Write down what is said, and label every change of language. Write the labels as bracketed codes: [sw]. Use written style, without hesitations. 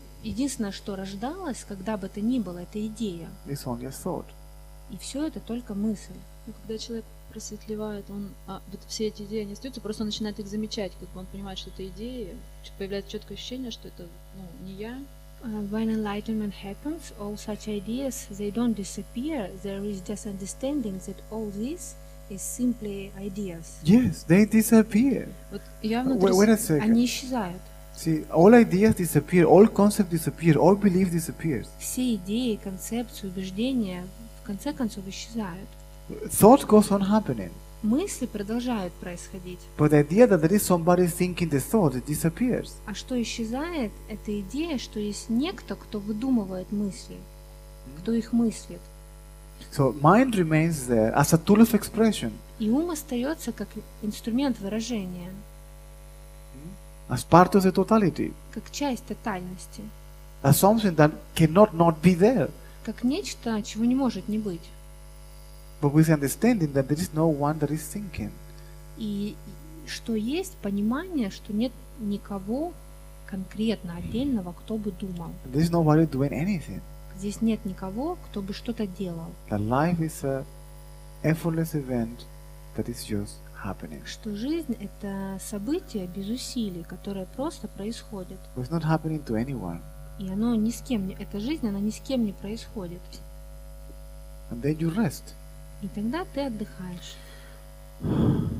[ru] Единственное, что рождалось, когда бы то ни было, это идея. [en] It's only a thought. [ru] И все это только мысль. Но когда человек просветливает, он вот все эти идеи не остаются, просто он начинает их замечать, как бы он понимает, что это идея, появляется четкое ощущение, что это не я. [en] When enlightenment happens, all such ideas they don't disappear. There is just understanding that all this is simply ideas. Yes, they disappear. [ru] Вот я внутри. [en] Wait a second. [ru] Они исчезают. [en] See, all ideas disappear, all concepts disappear, all belief disappears. [ru] Все идеи, концепции, убеждения в конце концов исчезают. [en] Thought goes on happening. [ru] Мысли продолжают происходить. [en] But the idea that there is somebody thinking the thought it disappears. [ru] А что исчезает? Это идея, что есть некто, кто выдумывает мысли, кто их мыслит. [en] So mind remains there as a tool of expression. [ru] И ум остается как инструмент выражения. [en] As part of the totality. [ru] Как часть тотальности. [en] As something that cannot not be there. [ru] Как нечто, чего не может не быть. [en] But with understanding that there is no one that is thinking. [ru] И что есть понимание, что нет никого конкретно отдельного, кто бы думал. [en] There is nobody doing anything. [ru] Здесь нет никого, кто бы что-то делал. [en] That life is a effortless event that is just happening. [ru] Что жизнь – это событие без усилий, которое просто происходит. [en] It's not happening to anyone. [ru] И оно ни с кем не, эта жизнь, она ни с кем не происходит. [en] And then you rest. [ru] И тогда ты отдыхаешь.